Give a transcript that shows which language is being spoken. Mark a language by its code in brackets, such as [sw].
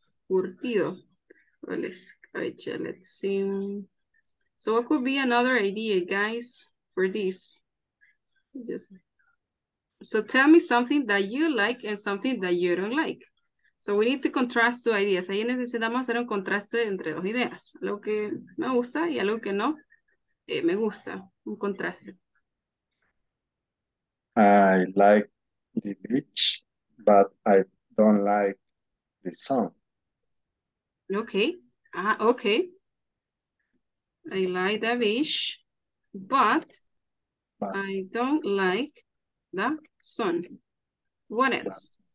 [en] Curtido. Well, let's see. So what could be another idea, guys, for this? So tell me something that you like and something that you don't like. So we need to contrast two ideas. [es] Ahí necesitamos hacer un contraste entre dos ideas. Algo que me gusta y algo que no me gusta. Un contraste. [en] I like the beach, but I don't like the sun. Okay. Okay. I like the beach, but I don't like the sun. What else?